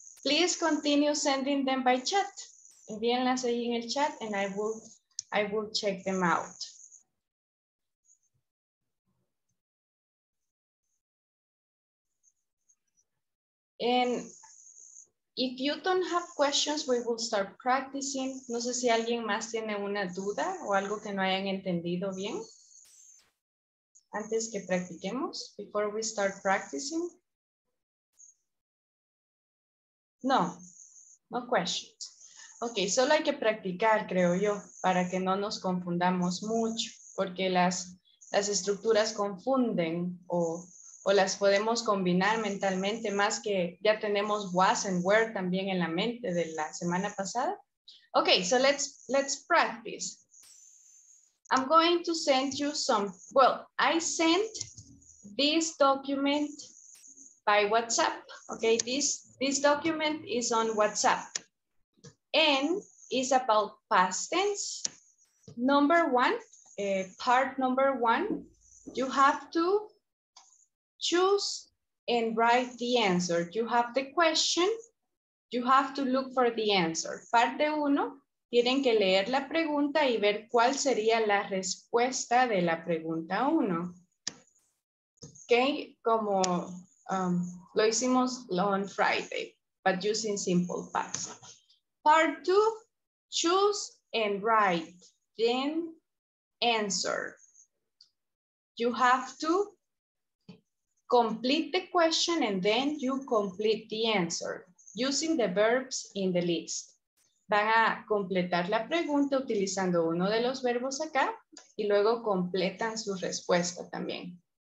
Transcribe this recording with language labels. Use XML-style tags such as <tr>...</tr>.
<en>Please continue sending them by chat.</en> <es>Envíenlas ahí en el chat</es> <en>and I will check them out. And if you don't have questions, we will start practicing.</en> <es>No sé si alguien más tiene una duda o algo que no hayan entendido bien. Antes que practiquemos,</es> <en>before we start practicing. No, no questions.</en> <es>Okay, solo hay que practicar, creo yo, para que no nos confundamos mucho, porque las estructuras confunden o las podemos combinar mentalmente, más que ya tenemos was and were también en la mente de la semana pasada.</es> <en>Okay, so let's practice. I'm going to send you some, well, I sent this document by WhatsApp, okay? This document is on WhatsApp and is about past tense. Number one, part number one, you have to choose and write the answer. You have the question, you have to look for the answer.</en> <es>Parte uno, tienen que leer la pregunta y ver cuál sería la respuesta de la pregunta uno.</es> <en>Okay,</en> <es>como lo hicimos</es> <en>on Friday, but using simple past. Part two, choose and write, then answer. You have to complete the question and then you complete the answer using the verbs in the list.</en> <es>Van a completar la pregunta utilizando uno de los verbos acá y luego completan su respuesta también.</es>